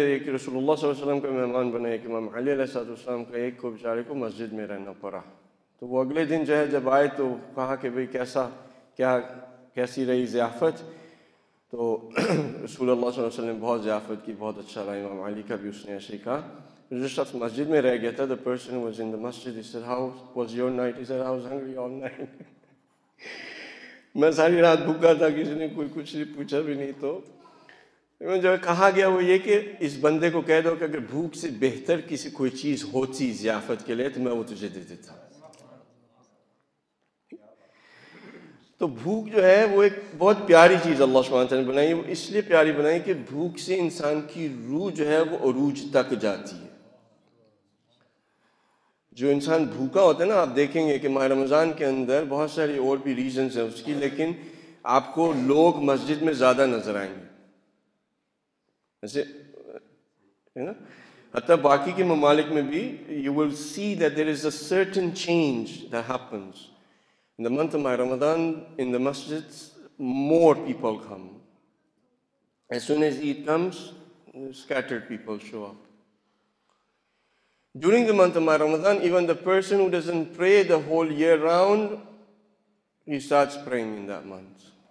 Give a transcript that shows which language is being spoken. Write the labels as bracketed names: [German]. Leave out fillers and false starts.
[Urdu] ایک رسول اللہ صلی اللہ علیہ وسلم کا مہمان بنا, ایک امام علی علیہ السلام کا, ایک کو بیچارے کو مسجد میں رہنا پڑا. تو وہ اگلے دن جو ہے جب آئے تو کہا کہ بھائی کیسا, کیا کیسی رہی ضیافت. تو رسول اللہ صلی اللہ علیہ وسلم بہت ضیافت کی, بہت اچھا رہا. امام علی کا بھی اس نے ایسے ہی کہا. جو شخص مسجد میں رہ گیا تھا, [English] the person was in the masjid, he said, how was your night? He said, I was hungry all night. [Urdu] میں ساری رات بھوکا تھا, کسی نے کوئی کچھ پوچھا بھی نہیں. تو جو کہا گیا وہ یہ کہ اس بندے کو کہہ دو کہ اگر بھوک سے بہتر کسی کوئی چیز ہوتی ضیافت کے لیے تو میں وہ تجھے دے دیتا. تو بھوک جو ہے وہ ایک بہت پیاری چیز اللہ سبحانہ وتعالیٰ نے بنائی. وہ اس لیے پیاری بنائی کہ بھوک سے انسان کی روح جو ہے وہ عروج تک جاتی ہے. جو انسان بھوکا ہوتا ہے نا, آپ دیکھیں گے کہ ماہ رمضان کے اندر بہت ساری اور بھی ریزنز ہیں اس کی, لیکن آپ کو لوگ مسجد میں زیادہ نظر آئیں گے. ایسے حتیٰ باقی کے ممالک میں بھی [English] You will see that there is a certain change that happens in the month of my Ramadan. In the masjids, more people come. As soon as Eid comes, scattered people show up. During the month of my Ramadan, even the person who doesn't pray the whole year round, he starts praying in that month.